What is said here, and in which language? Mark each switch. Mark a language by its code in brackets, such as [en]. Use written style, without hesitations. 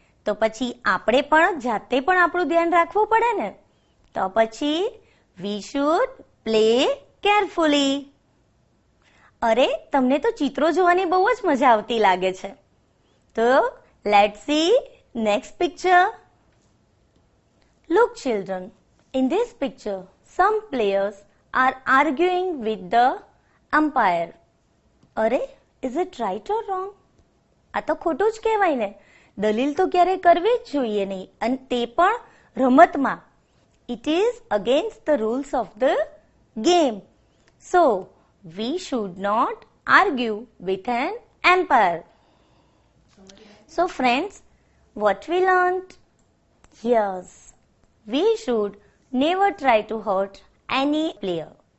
[gu] તો પછી આપણે પણ જાતે પણ આપણું ધ્યાન રાખવું પડે ને? તો પછી [en] we should play carefully. [gu] અરે, તમને તો ચિત્રો જોવાની બહુ જ મજા આવતી લાગે છે. [en] તો let's see next picture. Look, children, in this picture, some players are arguing with the umpire. [gu] અરે, [en] is it right or wrong? [gu] આ તો ખોટું જ કહેવાય ને? દલીલ તો ક્યારે કરવી જ જોઈએ નહીં, અને તે પણ રમતમાં. [en] It is against the rules of the game. So, we should not argue with an umpire. So friends, what we learned, yes, we should never try to hurt any player.